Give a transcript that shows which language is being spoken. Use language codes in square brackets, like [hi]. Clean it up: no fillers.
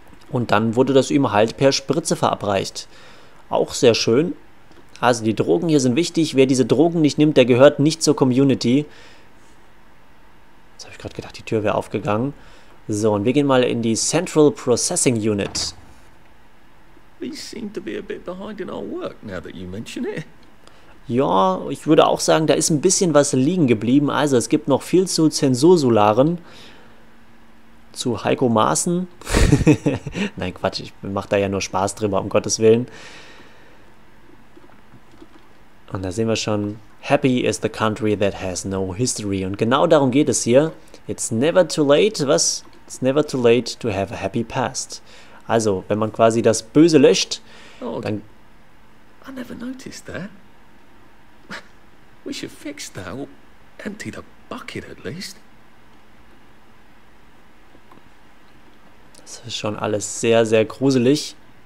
[de] Und dann wurde das ihm halt per Spritze verabreicht. Auch sehr schön. Also die Drogen hier sind wichtig. Wer diese Drogen nicht nimmt, der gehört nicht zur Community. Jetzt habe ich gerade gedacht, die Tür wäre aufgegangen. So, und wir gehen mal in die Central Processing Unit. [en] They seem to be a bit behind in our work, now that you mention it. [de] Ja, ich würde auch sagen, da ist ein bisschen was liegen geblieben. Also, es gibt noch viel zu Zensursularen. Zu Heiko Maaßen. Nein, Quatsch, ich mache da ja nur Spaß drüber, um Gottes Willen. Und da sehen wir schon, [en] happy is the country that has no history. [de] Und genau darum geht es hier. [en] It's never too late, [de] was? [en] It's never too late to have a happy past. [de] Also, wenn man quasi das Böse löscht, dann... [en] I never noticed that. We should fix that. We'll empty the bucket at least. [de] Das ist schon alles sehr, sehr gruselig.